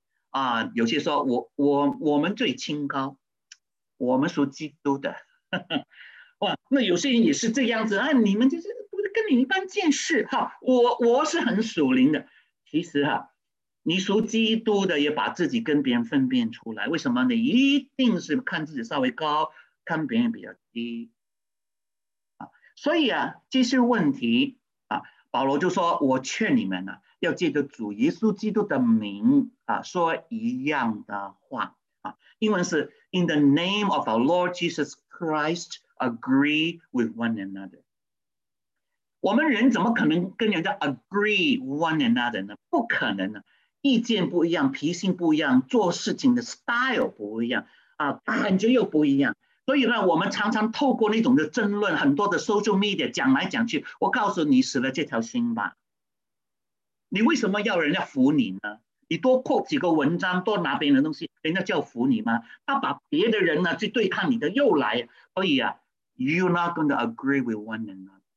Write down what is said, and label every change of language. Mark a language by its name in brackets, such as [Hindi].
[Chinese] 啊，有些说我们最清高，我们属基督的，哇，那有些人也是这样子啊，你们就是不是跟你一般见识哈，我是很属灵的，其实哈，你属基督的也把自己跟别人分辨出来，为什么呢？一定是看自己稍微高，看别人比较低，啊，所以啊，这些问题啊，保罗就说，我劝你们呢，啊，要借着主耶稣基督的名啊说一样的话啊。英文是 [English] "In the name of our Lord Jesus Christ, agree with one another." [Chinese] 我们人怎么可能跟人家 [English] agree one another [Chinese] 呢？不可能的，意见不一样，脾性不一样，做事情的 style 不一样啊，感觉又不一样。所以呢，我们常常透过那种的争论，很多的 social media 讲来讲去，我告诉你，死了这条心吧。你为什么要人家服你呢？你多 quote 几个文章，多拿别人的东西，人家就要服你吗？他把别的人呢去对抗你的，又来。所以啊， [English] you're not going to agree with one another。